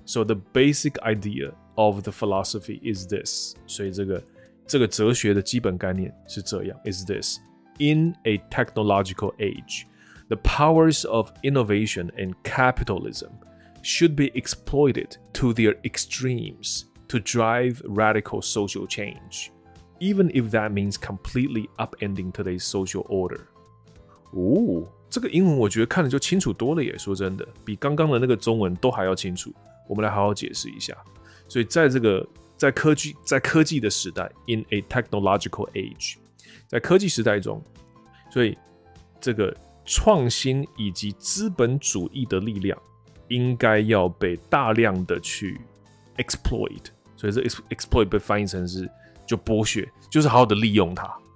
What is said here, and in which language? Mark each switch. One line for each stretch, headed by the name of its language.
English: So the basic idea of the philosophy is this.
Chinese: 所以这个哲学的基本概念是这样。
English: Is this in a technological age, the powers of innovation and capitalism should be exploited to their extremes to drive radical social change, even if that means completely upending today's social order. Ooh.
Chinese: 这个英文我觉得看得就清楚多了耶，说真的比刚刚的那个中文都还要清楚，我们来好好解释一下。所以在这个在科技的时代
English: in a technological age，
Chinese: 在科技时代中，所以这个创新以及资本主义的力量应该要被大量的去 exploit， 所以这 exploit 被翻译成是就剥削，就是好好的利用它。